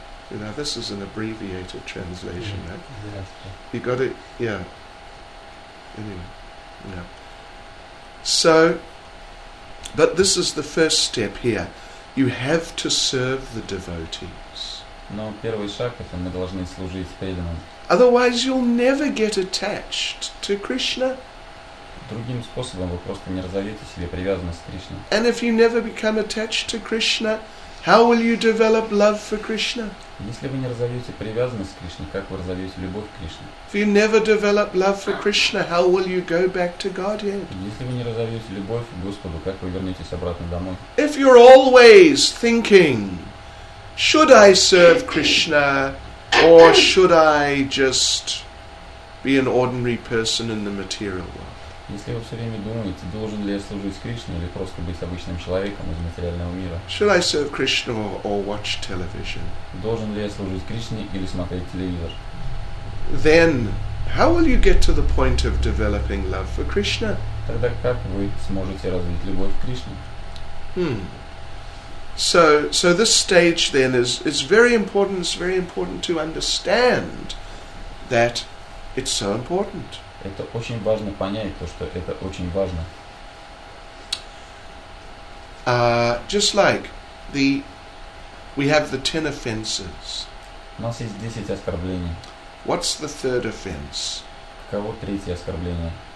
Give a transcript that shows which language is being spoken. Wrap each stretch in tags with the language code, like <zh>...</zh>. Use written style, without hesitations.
<en>You know, this is an abbreviated translation, right? Yes. You got it, yeah. Anyway, yeah. So, but this is the first step here. You have to serve the devotees.</en> <ru>Но первый шаг это мы должны служить преданным.</ru> <en>Otherwise, you'll never get attached to Krishna.</en> <ru>Другим способом вы просто не разовьете себе привязанность к Кришне.</ru> <en>And if you never become attached to Krishna, how will you develop love for Krishna?</en> <ru>Если вы не разовьете привязанность к Кришне, как вы разовьете любовь к Кришне?</ru> <en>If you never develop love for Krishna, how will you go back to Godhead?</en> <ru>Если вы не разовьете любовь к Господу, как вы вернетесь обратно домой?</ru> <en>If you're always thinking, should I serve Krishna or should I just be an ordinary person in the material world?</en> <ru>Если вы все время думаете, должен ли я служить Кришне или просто быть обычным человеком из материального мира?</ru> <en>Should I serve Krishna or watch television?</en> <ru>Должен ли я служить Кришне или смотреть телевизор?</ru> <en>Then, how will you get to the point of developing love for Krishna?</en> <ru>Тогда как вы сможете развить любовь к Кришне?</ru> <en>So this stage then is very important. It's very important to understand that it's so important.</en> <ru>Это очень важно понять то, что это очень важно.</ru> <en>Just like we have the 10 offenses.</en> <ru>У нас есть 10 оскорблений.</ru> <en>What's the third offense?</en> <ru>Каково третье оскорбление?</ru>